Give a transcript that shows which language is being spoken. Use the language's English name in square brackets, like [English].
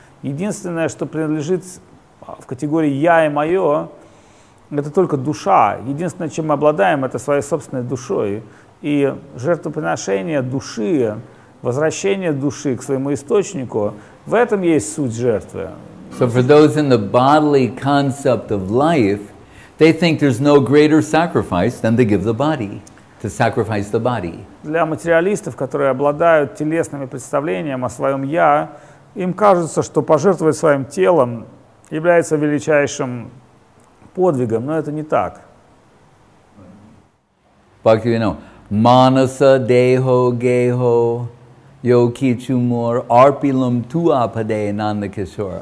[Russian] Единственное, что принадлежит в категории «я» и «моё», это только душа. Единственное, чем мы обладаем, это своей собственной душой. И жертвоприношение души, возвращение души к своему источнику, в этом есть суть жертвы. [English] So for those in the bodily concept of life, they think there's no greater sacrifice than to give the body, to sacrifice the body. [Russian] Для материалистов, которые обладают телесными представлениями о своем «я», им кажется, что пожертвовать своим телом является величайшим подвигом, но это не так. Бхакти Вино. [Bangla] Манаса дехо гехо йоки чумор арпилам туападе нанда кишор.